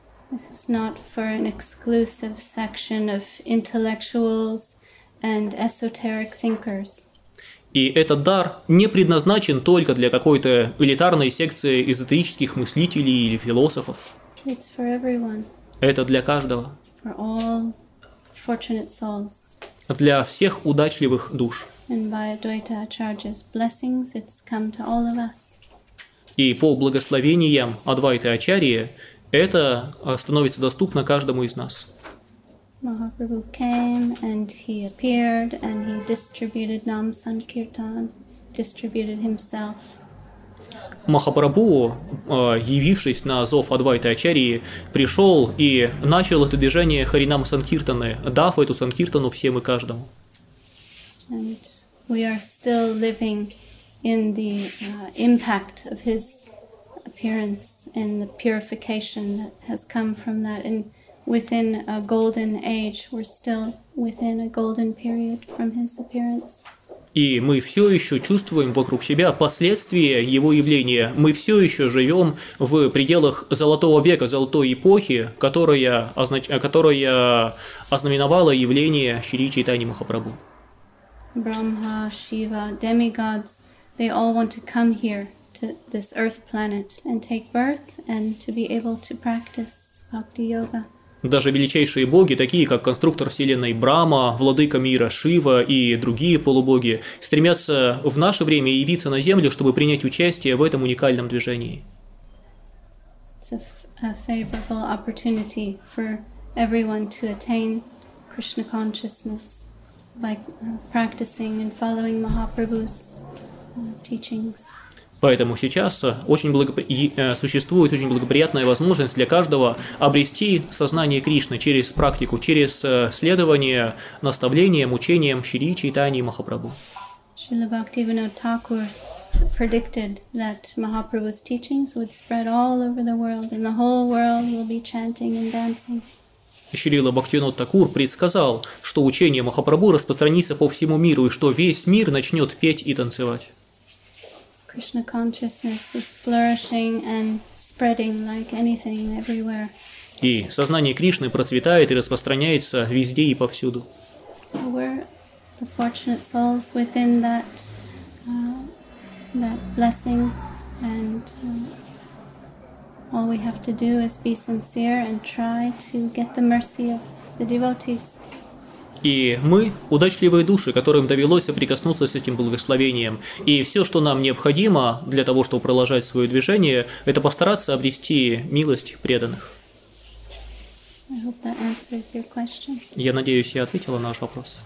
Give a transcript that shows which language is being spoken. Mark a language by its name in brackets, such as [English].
[English] This is not for an exclusive section of intellectuals and esoteric thinkers. [Russian] И этот дар не предназначен только для какой-то элитарной секции эзотерических мыслителей или философов. [English] It's for everyone. [Russian] Это для каждого. [English] For all fortunate souls. [Russian] Для всех удачливых душ. [English] And by Advaita Acharya's blessings, it's come to all of us. [Russian] И по благословениям Адвайты Ачарьи это становится доступно каждому из нас. [English] Mahaprabhu came and he appeared and he distributed Nam Sankirtan, distributed himself. [Russian] Махапрабху, явившись на зов Адвайты Ачарьи, пришел и начал это движение Харинам Санкиртаны, дав эту Санкиртану всем и каждому. [English] And we are still living in the impact of his appearance and the purification that has come from that. And within a golden age, we're still within a golden period from his appearance. [Russian] И мы все еще чувствуем вокруг себя последствия его явления. Мы все еще живем в пределах золотого века, золотой эпохи, которая ознаменовала явление Шри Чайтаньи Махапрабху. [English] Brahma, Shiva, demigods, they all want to come here to this earth planet and take birth and to be able to practice bhakti yoga. [Russian] Даже величайшие боги, такие как конструктор вселенной Брама, владыка мира Шива и другие полубоги, стремятся в наше время явиться на Землю, чтобы принять участие в этом уникальном движении. [English] It's a favorable opportunity for everyone to attain Krishna consciousness by practicing and following Mahaprabhu's teachings. [Russian] Поэтому сейчас существует очень благоприятная возможность для каждого обрести сознание Кришны через практику, через следование наставлениям, учениям Шри Чайтаньи Махапрабху. [English] Шрила Бхактивинод Тхакур predicted that Mahaprabhu's teachings would spread all over the world and the whole world will be chanting and dancing. [Russian] Шрила Бхактивинод Тхакур предсказал, что учение Махапрабху распространится по всему миру и что весь мир начнет петь и танцевать. [English] Krishna consciousness is flourishing and spreading like anything everywhere. [Russian] И сознание Кришны процветает и распространяется везде и повсюду. [English] So we're the fortunate souls within that that blessing, and all we have to do is be sincere and try to get the mercy of the devotees. [Russian] И мы – удачливые души, которым довелось соприкоснуться с этим благословением. И все, что нам необходимо для того, чтобы продолжать свое движение, это постараться обрести милость преданных. [English] I hope that answers your question. [Russian] Я надеюсь, я ответила на ваш вопрос.